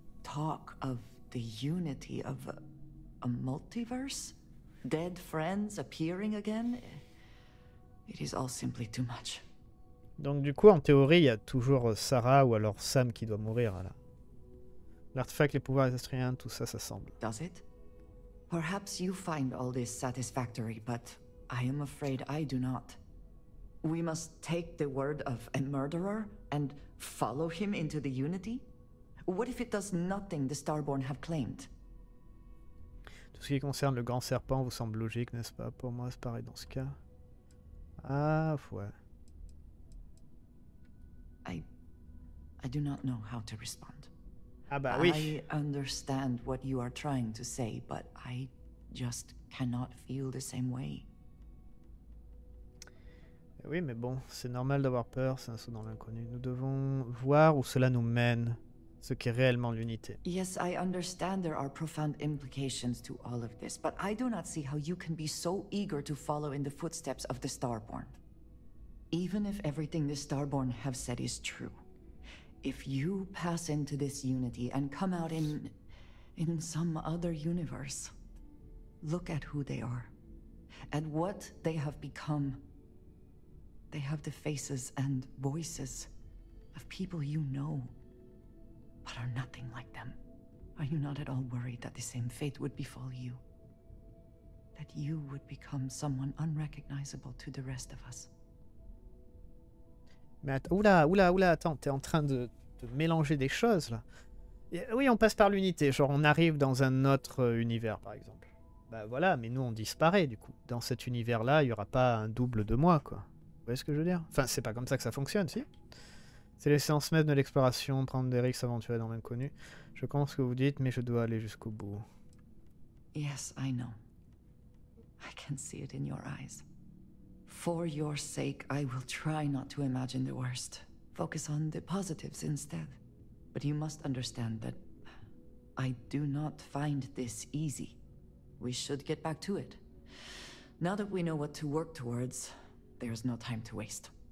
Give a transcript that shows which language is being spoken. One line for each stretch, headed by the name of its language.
English: Talk of the unity of a multiverse? Dead friends appearing again? It is all simply too much.
French: Donc du coup, en théorie, il y a toujours Sarah ou alors Sam qui doit mourir, là. L'artefact, les pouvoirs astriens, tout ça, ça semble.
English: Does it? Perhaps you find all this satisfactory, but I am afraid I do not. We must take the word of a murderer and follow him into the unity? What if it does nothing the Starborn have claimed?
French: Tout ce qui concerne le grand serpent vous semble logique, n'est-ce pas? Pour moi, c'est pareil dans ce cas. Ah, ouais.
English: I do not know how to respond.
French: Ah bah oui.
English: I understand what you are trying to say, but I just cannot feel the same way.
French: Oui, mais bon, c'est normal d'avoir peur, c'est un saut dans l'inconnu. Nous devons voir où cela nous mène. Ce qui est réellement l'unité.
English: Yes, I understand there are profound implications to all of this, but I do not see how you can be so eager to follow in the footsteps of the Starborn. Even if everything the Starborn have said is true, if you pass into this unity and come out in some other universe, look at who they are, at what they have become. They have the faces and voices of people you know. But are nothing like them. Are you not at all worried that the same fate would befall you? That you would become someone unrecognizable to the rest of us?
French: Mais oula, attends, t'es en train de mélanger des choses, là. Et, oui, on passe par l'unité, genre on arrive dans un autre univers, par exemple. Bah voilà, mais nous on disparaît, du coup. Dans cet univers-là, il n'y aura pas un double de moi, quoi. Vous voyez ce que je veux dire? Enfin, c'est pas comme ça que ça fonctionne, si? C'est l'essence même de l'exploration, prendre des risques, s'aventurer dans l'inconnu. Je comprends ce que vous dites, mais je dois aller jusqu'au bout.
English: Yes, I know. I can see it in your eyes. For your sake, I will try not to imagine the worst. Focus on the positives instead. But you must understand that I do not find this easy. We should get back to it. Now that we know what to work towards, there is no time to waste.